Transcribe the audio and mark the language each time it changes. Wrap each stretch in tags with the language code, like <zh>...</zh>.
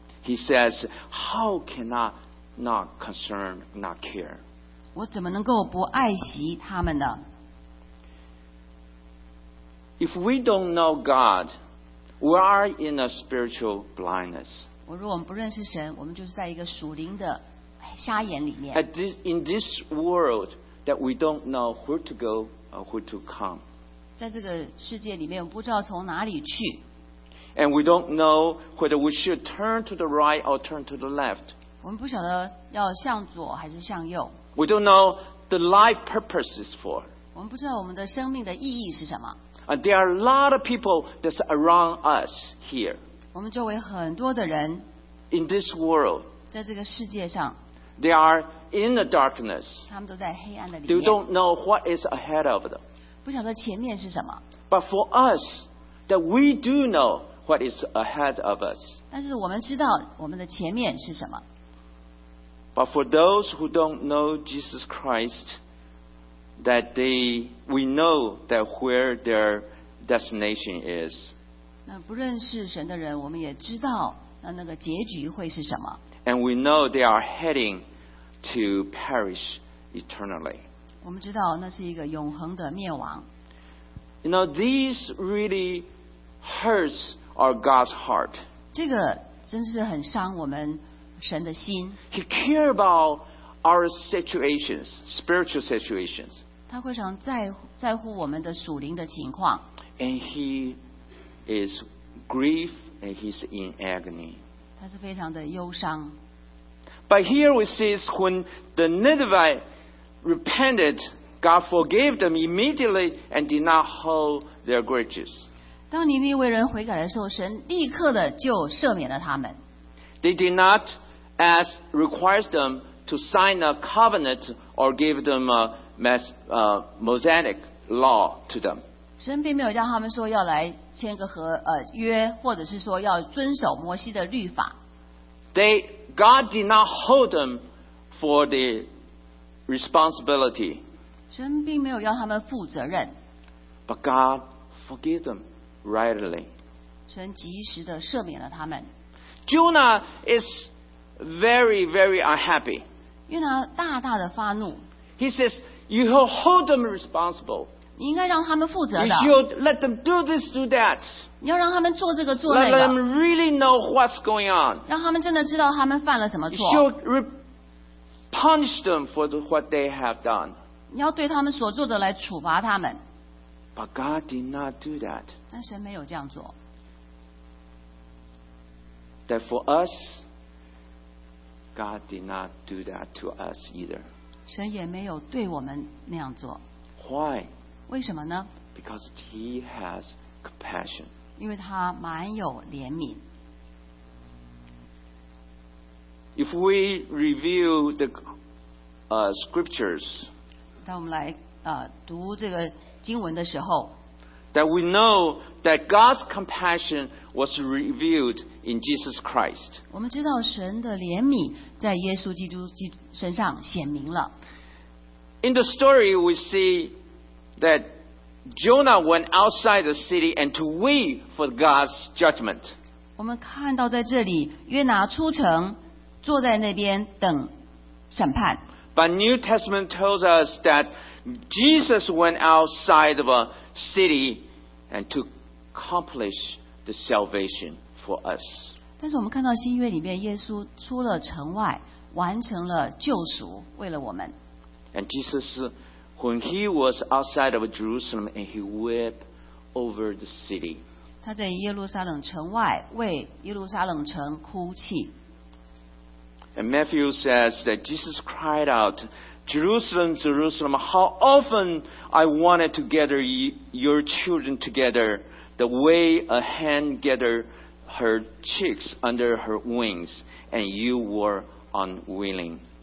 <en>He says, "How can I not concern, not care?"</en> <zh>我怎么能够不爱惜他们呢？</zh> <en>If we don't know God, we are in a spiritual blindness.</en> <zh>我如果不认识神，我们就是在一个属灵的瞎眼里面。</zh> <en>In this world, that we don't know where to go or where to come.</en> <zh>在这个世界里面，我们不知道从哪里去。</zh> <en>And we don't know whether we should turn to the right or turn to the left.</en> <zh>我们不晓得要向左还是向右。</zh> <en>We don't know the life purpose is for.</en> <zh>我们不知道我们的生命的意义是什么。</zh> <en>And there are a lot of people that's around us here.</en> <zh>我们周围很多的人。</zh> <en>In this world.</en> <zh>在这个世界上。</zh> <en>They are in the darkness.</en> <zh>他们都在黑暗的里面。</zh> <en>They don't know what is ahead of them.</en> <zh>不晓得前面是什么。</zh> <en>But for us, that we do know. What is ahead of us?</en> <zh>但是我们知道我们的前面是什么。</zh> <en>But for those who don't know Jesus Christ, that we know that where their destination is.</en> <zh>那不认识神的人，我们也知道那个结局会是什么。</zh> <en>And we know they are heading to perish eternally.</en> <zh>我们知道那是一个永恒的灭亡。</zh> <en>You know, these really hurts. Our God's heart.</en> <zh>这个真是很伤我们神的心。</zh> <en>He cares about our situations, spiritual situations.</en> <zh>他非常在乎我们的属灵的情况。</zh> <en>And he is grief and he's in agony.</en> <zh>他是非常的忧伤。</zh> <en>But here we see when the Ninevite repented, God forgave them immediately and did not hold their grudges.</en> <zh>当尼尼微人悔改的时候，神立刻的就赦免了他们。</zh> <en>They did not ask requires them to sign a covenant or give them a Mosaic law to them.</en> <zh>神并没有叫他们说要来签个约，或者是说要遵守摩西的律法。</zh> <en>God did not hold them for the responsibility.</en> <zh>神并没有要他们负责任。</zh> <en>But God forgave them. Rightly.</en> <zh>神及时地赦免了他们。</zh> <en>Jonah is very, very unhappy.</en> <zh>约拿大大的发怒。</zh> <en>He says, "You should hold them responsible."</en> <zh>你应该让他们负责的。</zh> <en>You should let them do this, do that.</en> <zh>你要让他们做这个做那个。</zh> <en>Let them really know what's going on.</en> <zh>让他们真的知道他们犯了什么错。</zh> <en>You should punish them for what they have done.</en> <zh>你要对他们所做的来处罚他们。</zh> <en>But God did not do that.</en> <zh>但神没有这样做。</zh> <en>That for us, God did not do that to us either.</en> <zh>神也没有对我们那样做。</zh> <en>Why?</en> <zh>为什么呢？</zh> <en>Because He has compassion.</en> <zh>因为他蛮有怜悯。</zh> <en>If we review the scriptures,</en> <zh>当我们来读这个。经文的时候</zh> <en>that we know that God's compassion was revealed in Jesus Christ.</en> <zh>我们知道神的怜悯在耶稣基督身上显明了。</zh> <en>In the story, we see that Jonah went outside the city and to wait for God's judgment.</en> <zh>我们看到在这里，约拿出城，坐在那边等审判。</zh> <en>But New Testament tells us that Jesus went outside of a city and to accomplish the salvation for us.</en> <zh>但是我们看到新约里面，耶稣出了城外，完成了救赎，为了我们。</zh> <en>And Jesus, when he was outside of Jerusalem, and he wept over the city.</en> <zh>他在耶路撒冷城外为耶路撒冷城哭泣。</zh> <en>And Matthew says that Jesus cried out, Jerusalem, Jerusalem, how often I wanted to gather your children together, the way a hen gathers her chicks under her wings, and you were unwilling.</en>